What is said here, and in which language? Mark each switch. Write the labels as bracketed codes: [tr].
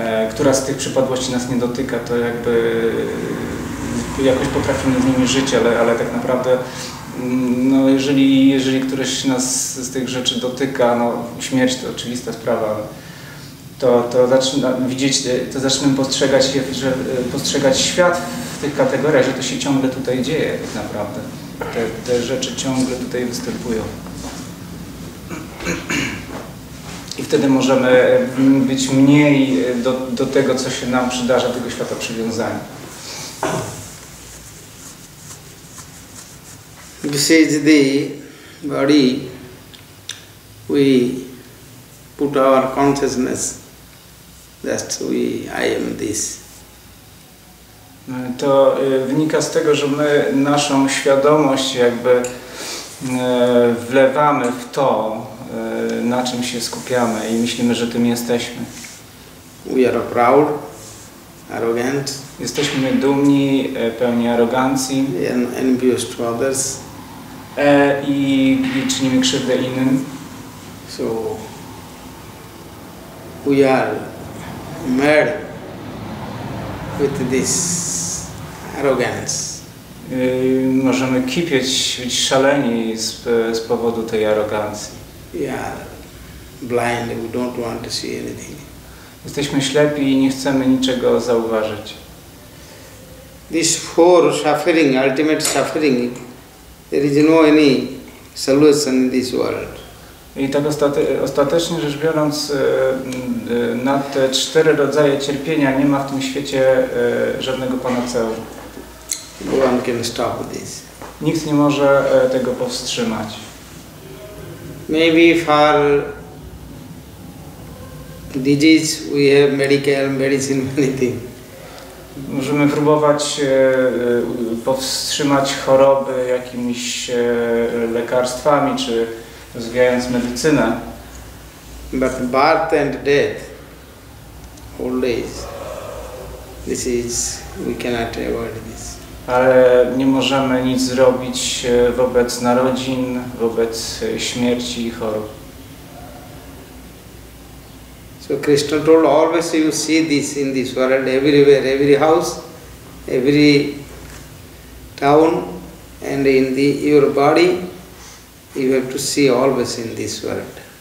[pl] która z tych przypadłości nas nie dotyka, to jakby jakoś potrafimy z nimi żyć, ale tak naprawdę no jeżeli któryś nas z tych rzeczy dotyka, no śmierć to oczywista sprawa, to zaczynamy widzieć, to zaczynamy postrzegać, że postrzegać świat w tych kategoriach, że to się ciągle tutaj dzieje tak naprawdę. Te rzeczy ciągle tutaj występują. I wtedy możemy być mniej do tego, co się nam przydarza, tego świata przywiązania. [en] This is the body we put our consciousness that we, I am this. [pl] To wynika z tego, że my naszą świadomość jakby wlewamy w to, na czym się skupiamy i myślimy, że tym jesteśmy. [en] We are proud, arrogant. [pl] Jesteśmy dumni, pełni arogancji. [en] And envious to others. [pl] I czynimy krzywdę innym. [en] So we are mad with this arrogance. [pl] Możemy kipieć, być szaleni z powodu tej arogancji. [en] Yeah, blind, we don't want to see anything. [pl] Jesteśmy ślepi i nie chcemy niczego zauważyć. [en] This four suffering, ultimate suffering, there is no any solution in this world. [pl] I tak ostatecznie rzecz biorąc, na te cztery rodzaje cierpienia nie ma w tym świecie żadnego panaceum. [en] One can stop this. [pl] Nikt nie może tego powstrzymać. [en] Maybe for disease we have medical medicine, anything. [pl] Możemy próbować powstrzymać choroby jakimiś lekarstwami, czy rozwijając medycynę. [en] But birth and death, old age, this is, we cannot avoid this. [pl] Ale nie możemy nic zrobić wobec narodzin, wobec śmierci i chorób. [en] So Krishna told, always you see this in this world, everywhere, every house, every town, and in your body, you have to see always in this world.